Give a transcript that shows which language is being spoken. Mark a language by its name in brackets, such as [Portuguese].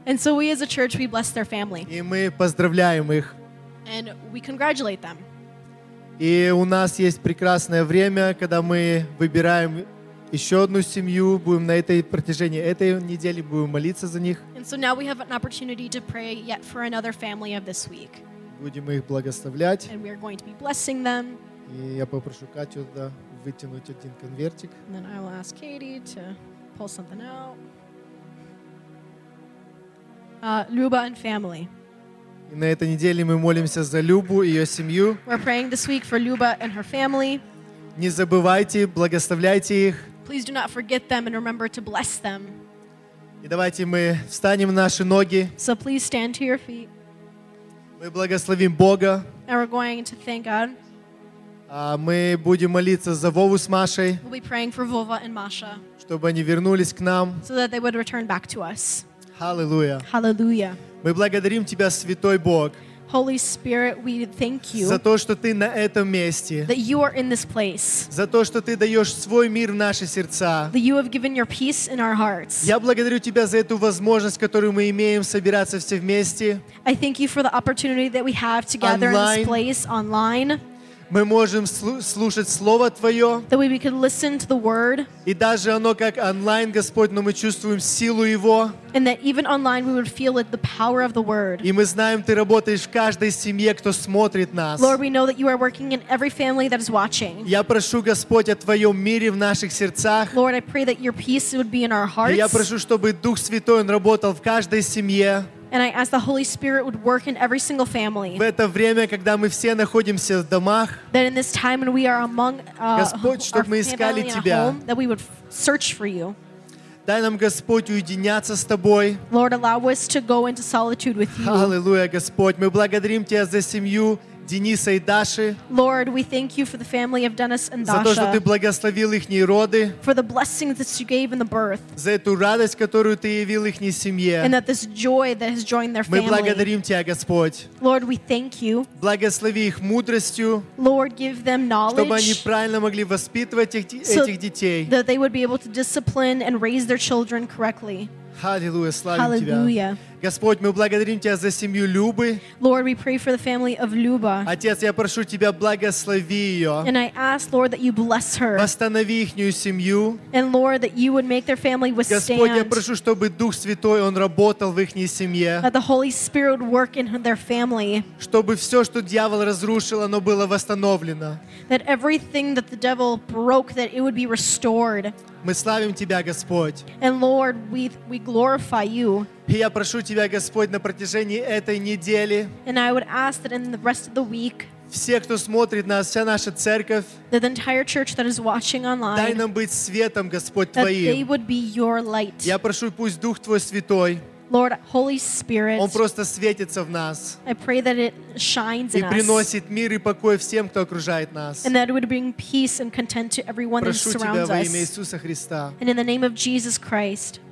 [English] And so we as a church we bless their family. [Russian] И мы поздравляем их. [English] And we congratulate them. [Russian] И у нас есть прекрасное время, когда мы выбираем еще одну семью, будем на этой протяжении этой недели будем молиться за них. [English] And so now we have an opportunity to pray yet for another family of this week. [Russian] Будем их благословлять. [English] And we are going to be blessing them. [Russian] И я попрошу Катю да вытянуть один конвертик. [English] And then I will ask Katie to pull something out. Люба and family. [Russian] И на этой неделе мы молимся за Любу и ее семью. [English] We're praying this week for Luba and her family. [Russian] Не забывайте, благословляйте их. [English] Please do not forget them and remember to bless them. [Russian] И давайте мы встанем на наши ноги. [English] So please stand to your feet. [Russian] Мы благословим Бога. [English] And we're going to thank God. [Russian] Мы будем молиться за Вову с Машей. [English] We'll be praying for Vova and Masha. [Russian] Чтобы они вернулись к нам. [English] So that they would return back to us. Hallelujah. Hallelujah. [Russian] Мы благодарим тебя, Святой Бог. [English] Holy Spirit, we thank you. [Russian] За то, что ты на этом месте. [English] That you are in this place. [Russian] За то, что ты даешь свой мир в наши сердца. [English] That you have given your peace in our hearts. [Russian] Я благодарю тебя за эту возможность, которую мы имеем собираться все вместе. [English] I thank you for the opportunity that we have together online. In this place online. [Russian] Мы можем слушать Слово Твое. [English] That we could listen to the word. [Russian] И даже оно как онлайн, Господь, но мы чувствуем силу Его. [English] And that even online we would feel the power of the word. [Russian] И мы знаем, Ты работаешь в каждой семье, кто смотрит нас. [English] Lord, we know that you are working in every family that is watching. [Russian] Я прошу, Господь, о Твоем мире в наших сердцах. [English] Lord, I pray that your peace would be in our hearts. [Russian] И я прошу, чтобы Дух Святой, Он работал в каждой семье. [English] And I ask the Holy Spirit would work in every single family. [Russian] В это время, когда мы все находимся в домах, [English] that in this time when we are among [Russian] Господь, [English] our family and home, that we would search for you. [Russian] Дай нам, Господь, уединяться с Тобой. [English] Lord, allow us to go into solitude with you. [Russian] Аллилуйя, Господь. Мы благодарим Тебя за семью Дениса и Даши. [English] Lord, we thank you for the family of Dennis and Dasha. [Russian] За то, что Ты благословил их роды. [English] For the blessings that you gave in the birth. [Russian] За эту радость, которую Ты явил их семье. [English] And that this joy that has joined their family. [Russian] Мы благодарим Тебя, Господь. [English] Lord, we thank you. [Russian] Благослови их мудростью. [English] Lord, give them knowledge. [Russian] Чтобы они правильно могли воспитывать этих детей. [English] So that they would be able to discipline and raise their children correctly. [Russian] Аллилуйя, славим Тебя. Господь, мы благодарим Тебя за семью Любы. [English] Lord, we pray for the family of Luba. [Russian] Отец, я прошу Тебя, благослови ее. [English] And I ask, Lord, that you bless her. [Russian] Восстанови ихнюю семью. [English] And Lord, that you would make their family withstand. [Russian] Господь, я прошу, чтобы Дух Святой, Он работал в ихней семье. [English] That the Holy Spirit would work in their family. [Russian] Чтобы все, что дьявол разрушил, оно было восстановлено. [English] That everything that the devil broke, that it would be restored. [Russian] Мы славим Тебя, Господь. [English] And Lord, we glorify you. [Russian] И я прошу Тебя, Господь, на протяжении этой недели. [English] And I would ask that in the rest of the week. [Russian] Все, кто смотрит нас, вся наша церковь. [English] That the entire church that is watching online. [Russian] Дай нам быть светом, Господь, [English] that [Russian] Твоим. [English] That they would be your light. [Russian] Я прошу, пусть Дух Твой Святой. [English] Lord, Holy Spirit, [Russian] Он просто светится в нас [English] I pray that it shines [Russian] и приносит мир и покой всем, кто окружает нас. [English] And that it would bring peace and content to everyone [Russian] Прошу [English] that surrounds [Russian] тебя, [English] us. And in the name of Jesus Christ.